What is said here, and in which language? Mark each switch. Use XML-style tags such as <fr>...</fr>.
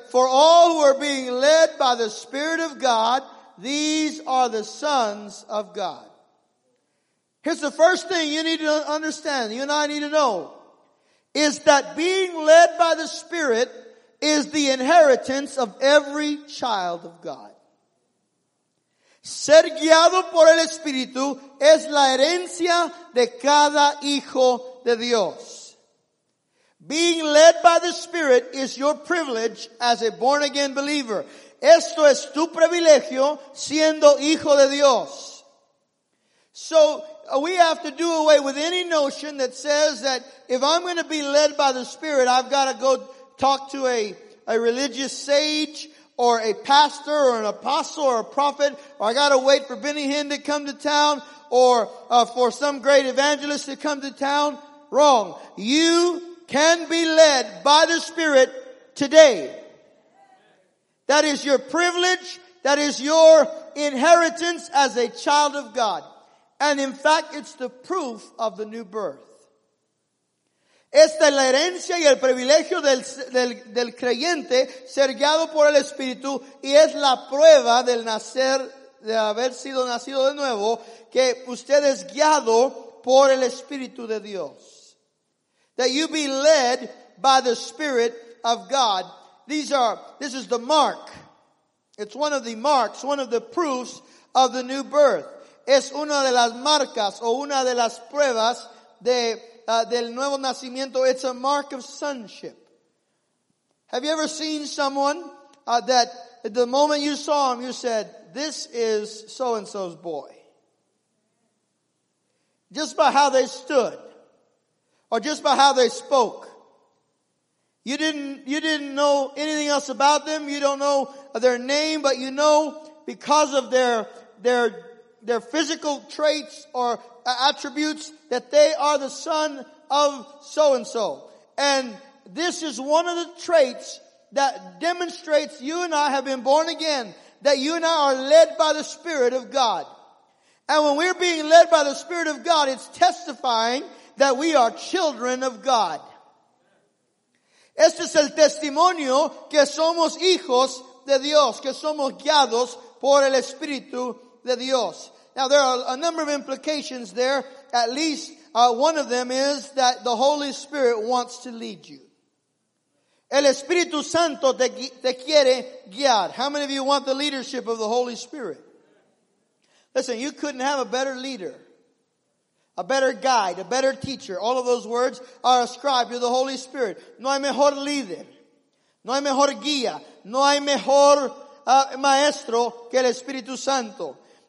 <en>For all who are being led by the Spirit of God, these are the sons of God. Here's the first thing you need to understand, you and I need to know, is that being led by the Spirit is the inheritance of every child of God.</en> <es>Ser guiado por el Espíritu es la herencia de cada hijo de Dios.</es> <en>Being led by the Spirit is your privilege as a born-again believer.</en> <es>Esto es tu privilegio siendo hijo de Dios.</es> <en>So, we have to do away with any notion that says that if I'm going to be led by the Spirit, I've got to go talk to a religious sage or a pastor or an apostle or a prophet, or I got to wait for Benny Hinn to come to town or for some great evangelist to come to town. Wrong. You can be led by the Spirit today. That is your privilege. That is your inheritance as a child of God. And in fact, it's the proof of the new birth.</en> <es>Esta es la herencia y el privilegio del creyente ser guiado por el Espíritu, y es la prueba del nacer, de haber sido nacido de nuevo, que usted es guiado por el Espíritu de Dios.</es> <en>That you be led by the Spirit of God. This is the mark. It's one of the marks, one of the proofs of the new birth.</en> <es>Es una de las marcas o una de las pruebas del nuevo nacimiento.</es> <en>It's a mark of sonship. Have you ever seen someone that the moment you saw him, you said, this is so-and-so's boy? Just by how they stood, or just by how they spoke. You didn't know anything else about them. You don't know their name, but you know because of their physical traits or attributes that they are the son of so-and-so. And this is one of the traits that demonstrates you and I have been born again, that you and I are led by the Spirit of God. And when we're being led by the Spirit of God, it's testifying that we are children of God.</en> <es>Este es el testimonio que somos hijos de Dios, que somos guiados por el Espíritu de Dios.</es> <en>Now there are a number of implications there. At least one of them is that the Holy Spirit wants to lead you.</en> <es>El Espíritu Santo te quiere guiar.</es> <en>How many of you want the leadership of the Holy Spirit? Listen, you couldn't have a better leader, a better guide, a better teacher. All of those words are ascribed to the Holy Spirit.</en> <es>No hay mejor líder. No hay mejor guía. No hay mejor maestro que el Espíritu Santo.</es>